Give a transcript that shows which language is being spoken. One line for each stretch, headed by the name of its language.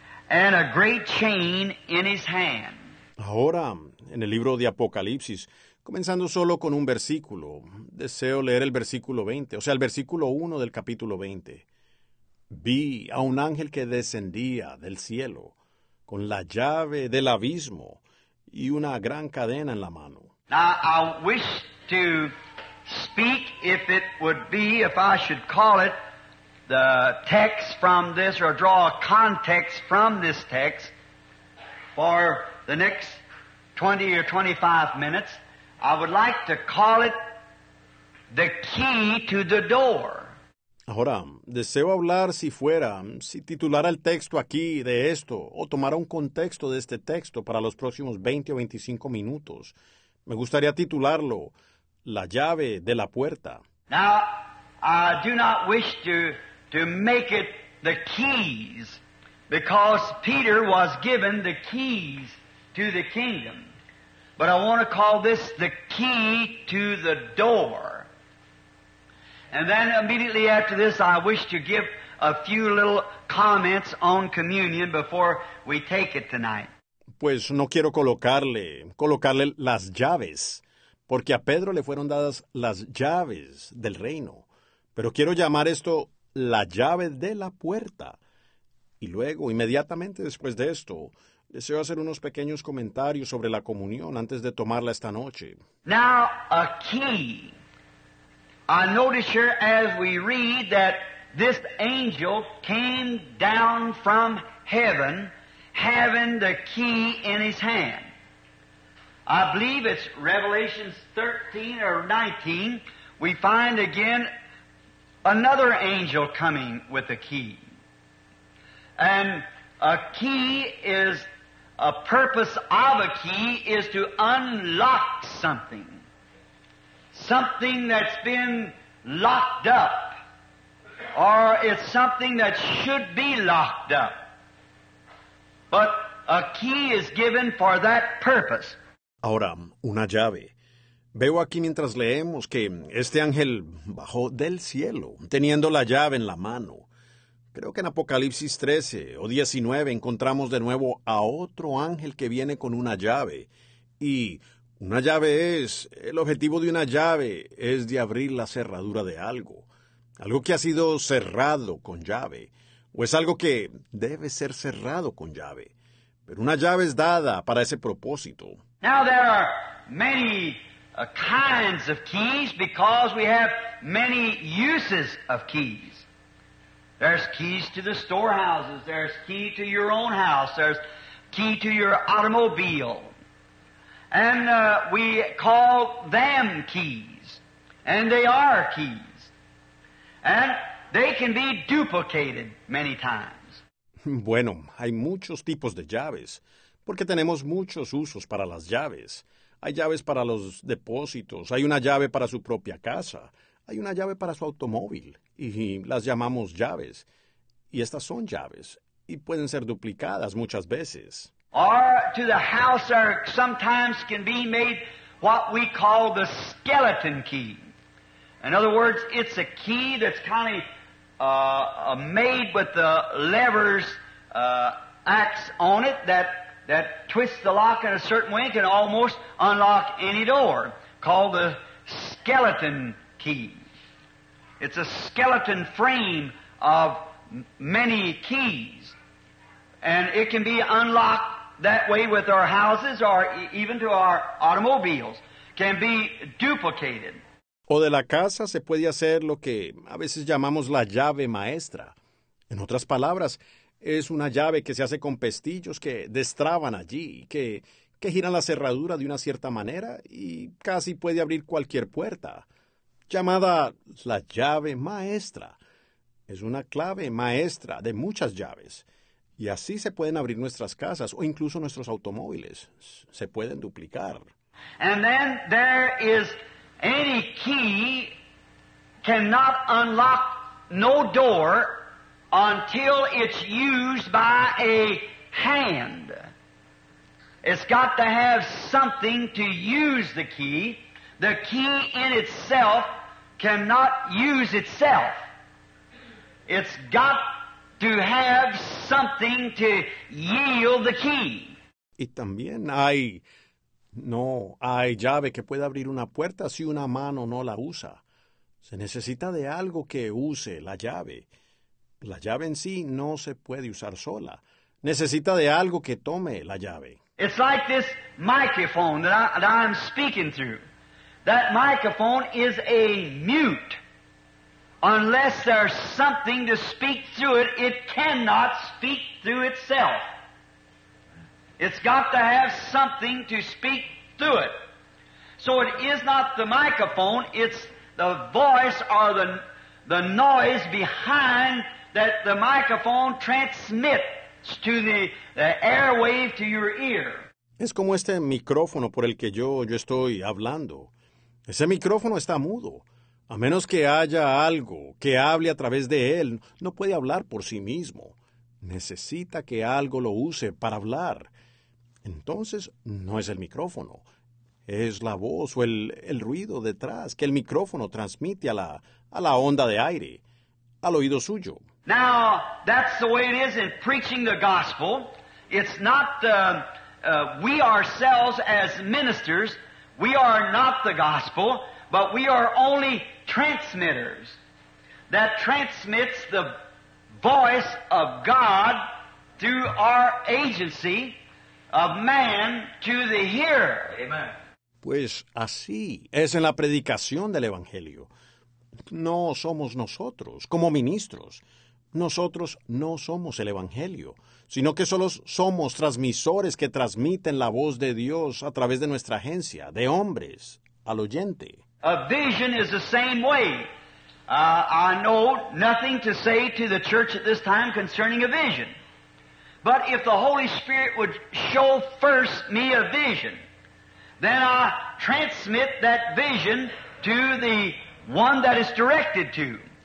English: and a great chain in his hand.
Spanish: Ahora, en el libro de Apocalipsis, comenzando solo con un versículo, deseo leer el versículo 20, o sea, el versículo 1 del capítulo 20. Vi a un ángel que descendía del cielo con la llave del abismo y una gran cadena en la mano.
English: Now, I wish to speak if it would be, if I should call it, the text from this or draw a context from this text for the next 20 or 25 minutes. I would like to call it the key to the door.
Spanish: Ahora, deseo hablar si titulara el texto aquí de esto, o tomara un contexto de este texto para los próximos 20 o 25 minutos. Me gustaría titularlo, La Llave de la Puerta.
English: Now, I do not wish to make it the keys, because Peter was given the keys to the kingdom. But I want to call this the key to the door. And then immediately after this, I wish to give a few little comments on communion before we take it tonight.
Spanish: Pues no quiero colocarle las llaves, porque a Pedro le fueron dadas las llaves del reino. Pero quiero llamar esto la llave de la puerta. Y luego, inmediatamente después de esto, deseo hacer unos pequeños comentarios sobre la comunión antes de tomarla esta noche.
English: Now, a key. I notice here as we read that this angel came down from heaven having the key in his hand. I believe it's Revelation 13 or 19. We find again another angel coming with a key. And a key is... A purpose of a key is to unlock something. Something that's been locked up. Or it's something that should be locked up. But a key is given for that purpose.
Spanish: Ahora, una llave. Veo aquí mientras leemos que este ángel bajó del cielo, teniendo la llave en la mano. Creo que en Apocalipsis 13 o 19 encontramos de nuevo a otro ángel que viene con una llave. Y una llave es, el objetivo de una llave es de abrir la cerradura de algo. Algo que ha sido cerrado con llave. O es algo que debe ser cerrado con llave. Pero una llave es dada para ese propósito.
English: Now there are many kinds of keys because we have many uses of keys. There's keys to the storehouses, there's key to your own house, there's key to your automobile. And we call them keys, and they are keys. And they can be duplicated many times.
Spanish: Bueno, hay muchos tipos de llaves, porque tenemos muchos usos para las llaves. Hay llaves para los depósitos, hay una llave para su propia casa. Hay una llave para su automóvil, y las llamamos llaves. Y estas son llaves, y pueden ser duplicadas muchas veces.
English: Or to the house there sometimes can be made what we call the skeleton key. In other words, it's a key that's kind of made with the levers acts on it that twists the lock in a certain way and can almost unlock any door, called the skeleton key. It's a skeleton frame of many keys. And it can be unlocked that way with our houses or even to our automobiles. Can be duplicated.
Spanish: O de la casa se puede hacer lo que a veces llamamos la llave maestra. En otras palabras, es una llave que se hace con pestillos que destraban allí, que giran la cerradura de una cierta manera y casi puede abrir cualquier puerta. Llamada la llave maestra. Es una clave maestra de muchas llaves. Y así se pueden abrir nuestras casas o incluso nuestros automóviles. Se pueden duplicar.
English: And then there is any key cannot unlock no door until it's used by a hand. It's got to have something to use the key. The key in itself cannot use itself. It's got to have something to yield the key.
Spanish: Y también hay, no, hay llave que puede abrir una puerta si una mano no la usa. Se necesita de algo que use la llave. La llave en sí no se puede usar sola. Necesita de algo que tome la llave.
English: It's like this microphone that I'm speaking through. That microphone is a mute. Unless there's something to speak through it, it cannot speak through itself. It's got to have something to speak through it. So it is not the microphone, it's the voice or the noise behind that the microphone transmits to the airwave to your ear.
Spanish: Es como este micrófono por el que yo estoy hablando. Ese micrófono está mudo. A menos que haya algo que hable a través de él, no puede hablar por sí mismo. Necesita que algo lo use para hablar. Entonces, no es el micrófono. Es la voz o el ruido detrás que el micrófono transmite a la onda de aire, al oído suyo.
English: Now, that's the way it is in preaching the gospel. It's not we ourselves as ministers, we are not the gospel, but we are only transmitters that transmits the voice of God through our agency of man to the hearer. Amen.
Spanish: Pues así es en la predicación del Evangelio. No somos nosotros como ministros. Nosotros no somos el Evangelio, sino que solo somos transmisores que transmiten la voz de Dios a través de nuestra agencia, de hombres, al oyente.
English: A vision is the same way. I know nothing to say to the church at this time concerning a vision. But if the Holy Spirit would show first me a vision, then I transmit that vision to the one that is directed to.